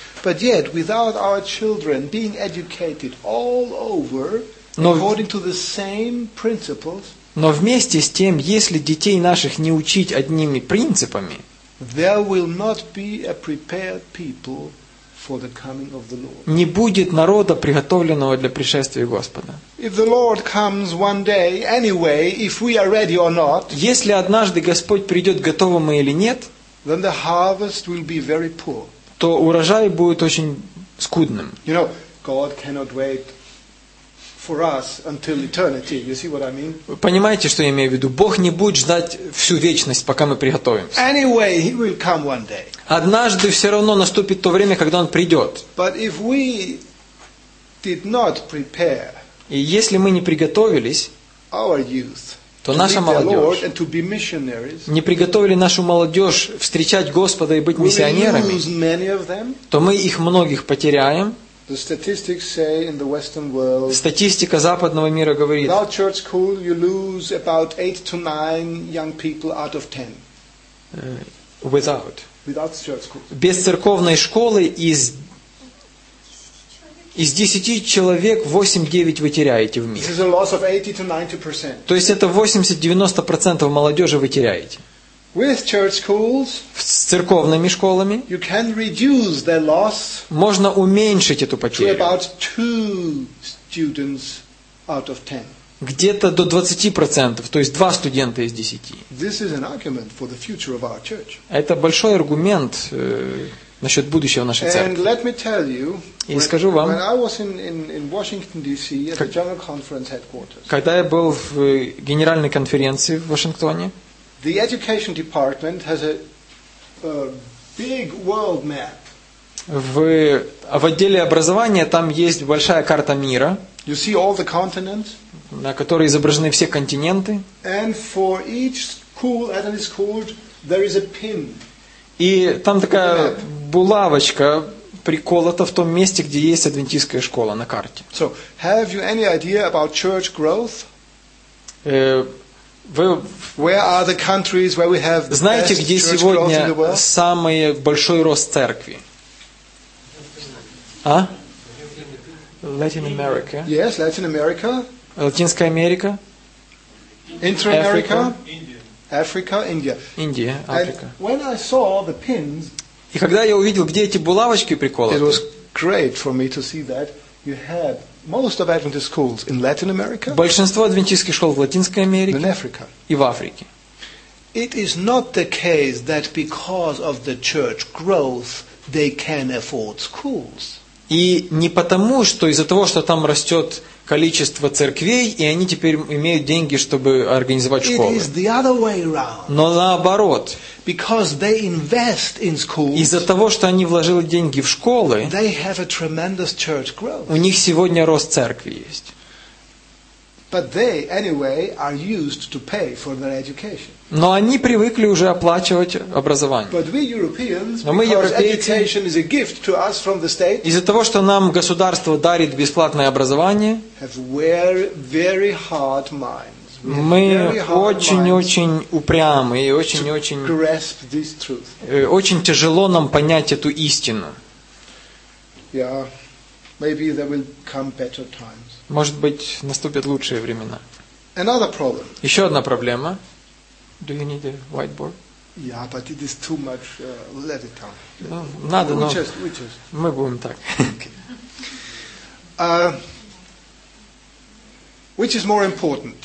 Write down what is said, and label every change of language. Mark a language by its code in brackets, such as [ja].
[en] But yet, without our children being educated all over according to the same principles, [ru] но вместе с тем, если детей наших не учить одними принципами, [en] there will not be a prepared people for the coming of the Lord. [ru] Не будет народа, приготовленного для пришествия Господа. [en] If the Lord comes one day, anyway, if we are ready or not, [ru] если однажды Господь придет, готовы мы или нет, [en] then the harvest will be very poor. [ru] То урожай будет очень скудным. [en] You know, God cannot wait for us until eternity. You see what I mean? [ru] Понимаете, что я имею в виду? Бог не будет ждать всю вечность, пока мы приготовимся. [en] Anyway, he will come one day. [ru] Однажды все равно наступит то время, когда он придет. [en] But if we did not prepare, [ru] и если мы не приготовились, [en] our youth, [ru] то наша молодежь, [en] and to be missionaries, [ru] не приготовили нашу молодежь встречать Господа и быть миссионерами, [en] we lose many of them, [ru] то мы их многих потеряем. [en] The statistics say in the Western world. [ru] Статистика западного мира говорит. [en] Without church school, you lose about 8 to 9 young people out of 10. Without church school. [ru] Без церковной школы из 10 человек 8-9 вы теряете в мире. [en] This is a loss of 80 to 90%. [ru] То есть это 80-90% молодежи вы теряете. [en] With church schools, [ru] с церковными школами, [en] you can reduce their loss, [ru] можно уменьшить эту потерю, [en] to about 2 students out of 10. [ru] Где-то до 20%, то есть 2 студента из 10. [en] This is an argument for the future of our church. [ru] Это большой аргумент насчет будущего нашей церкви. [en] And let me tell you, [ru] и скажу вам, [en] when I was in Washington DC at the General Conference headquarters, [ru] когда я был в генеральной конференции в Вашингтоне, [en] the education department has a big world map. [ru] В отделе образования там есть большая карта мира. [en] You see all the continents. [ru] На которой изображены все континенты. [en] And for each school, Adventist school, there is a pin. [ru] И там такая булавочка приколота в том месте, где есть адвентистская школа на карте. [en] So, have you any idea about church growth? Where are the countries where we have [ru] знаете, где сегодня самый большой рост церкви? А? [en] Latin America. Yes, Latin America. [ru] Латинская Америка. [en] Intra-America. Africa, India. [ru] Индия, Африка. [en] When I saw the pins, [ru] и когда я увидел, где эти булавочки приколоты, [en] it was great for me to see that you had most of Adventist schools in Latin America. [ru] Большинство адвентистских школ в Латинской Америке. [en] In Africa. [ru] И в Африке. [en] It is not the case that because of the church growth they can afford schools. [ru] И не потому, что из-за того, что там растет количество церквей, и они теперь имеют деньги, чтобы организовать школы. [en] It is the other way around. [ru] Но наоборот. [en] Because they invest in schools, [ru] из-за того, что они вложили деньги в школы, [en] they have a tremendous church growth. [ru] У них сегодня рост церкви есть. [en] But they, anyway, are used to pay for their education. [ru] Но они привыкли уже оплачивать образование. [en] But we Europeans, because education is a gift to us from the state, [ru] из-за того, что нам государство дарит бесплатное образование, [en] have very, very hard minds. [ru] Мы очень-очень упрямы и очень-очень [en] grasp this truth. [ru] Очень тяжело нам понять эту истину. [en] Yeah, maybe there will come better times. [ru] Может быть, наступят лучшие времена. [en] Another problem. [ru] Еще одна проблема. [en] Do you need a whiteboard? Yeah, but it is too much. Let it down. [ru] Ну, надо, но [en] we just. [ru] Мы будем так. [en] Okay. Which is more important?